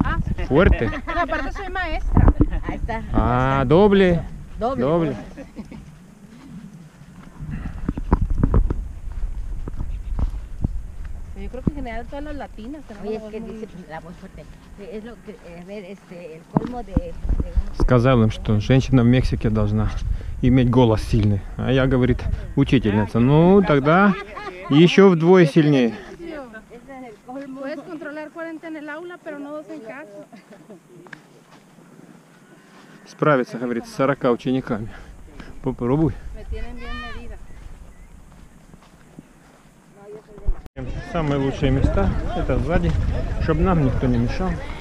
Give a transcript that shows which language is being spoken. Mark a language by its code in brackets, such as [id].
[es] Ah, sí. Fuerte. Pero aparte soy maestra. Ahí está. Ah, doble. Doble. Doble. Yo creo que en general todas las latinas tenemos. Oye, es que muy... dice la voz fuerte. Es lo que, a ver, este, el colmo de... [ru] Сказал им, что женщина в Мексике должна иметь голос сильный. А я, говорит, учительница. Ну, тогда еще вдвое сильнее. [es] Puedes controlar 40 en el aula, pero no 2 en casa. [ru] Справится, говорит, с 40 учениками. Попробуй. Самые лучшие места это сзади, чтобы нам никто не мешал.